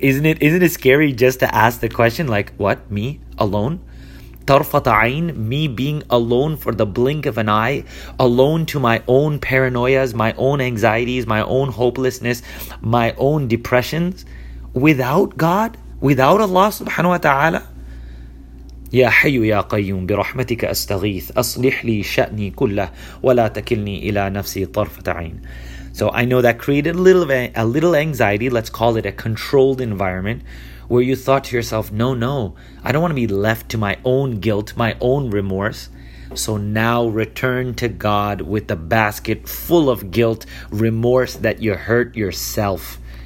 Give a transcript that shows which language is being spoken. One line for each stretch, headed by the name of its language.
English: Isn't it scary just to ask the question, like, what? Me? Alone? Tarfata'ain? Me being alone for the blink of an eye? Alone to my own paranoias, my own anxieties, my own hopelessness, my own depressions? Without God? Without Allah subhanahu wa ta'ala?
Arabic: يا حي يا قيوم برحمتك أستغيث أصلح لي شأني كله ولا تكلني إلى نفسي طرفة عين.
English: So I know that created a little anxiety, let's call it a controlled environment, where you thought to yourself, no, I don't want to be left to my own guilt, my own remorse. So now return to God with the basket full of guilt, remorse that you hurt yourself.